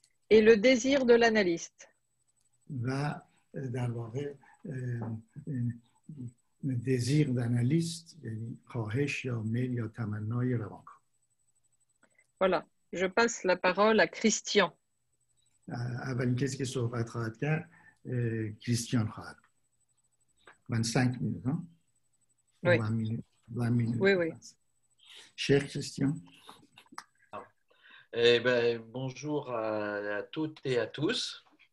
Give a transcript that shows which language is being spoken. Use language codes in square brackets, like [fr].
[fr] et le désir de l'analyste. [fa] و در واقع [fr] désir d'analyste, [fa] یعنی خواهش یا میل یا تمنای روانکاو. [fr] Voilà, je passe la parole à Christian. [fa] اولین کسی که صحبت خواهد کرد کریستیان خواهد. [fr] من 5 minutes, hein? Oui. 20 minutes. Oui, oui. Cher Christian. Eh ben, bonjour à toutes et à tous.